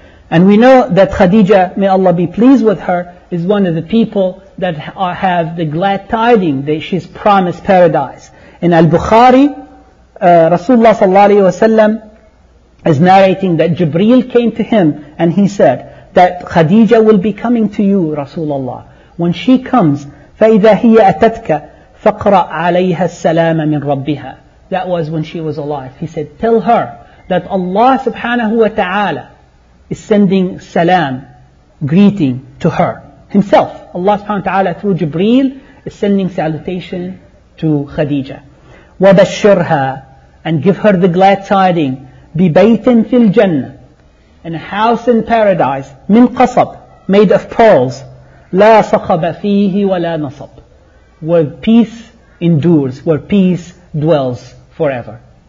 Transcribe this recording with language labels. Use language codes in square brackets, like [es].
[en] And we know that Khadijah, may Allah be pleased with her, is one of the people that have the glad tidings that she's promised paradise. In Al-Bukhari, Rasulullah sallallahu alayhi wa sallam is narrating that Jibreel came to him and he said that Khadijah will be coming to you, Rasulullah. When she comes, [ar] فَإِذَا هِيَ أَتَتْكَ فَقْرَأْ عَلَيْهَا السَّلَامَ مِنْ رَبِّهَا. [en] That was when she was alive. He said, tell her that Allah subhanahu wa ta'ala is sending salam, greeting to her. Himself, Allah subhanahu wa ta'ala through Jibreel is sending salutation to Khadijah. [ar] وَبَشِّرْهَا, [en] and give her the glad tiding, [ar] بِبَيْتٍ فِي الْجَنَّةِ, [en] in a house in paradise, [ar] مِنْ قَصَبْ, [en] made of pearls, [ar] لَا صَخَبَ فِيهِ وَلَا نَصَبْ, [en] where peace endures, where peace dwells forever.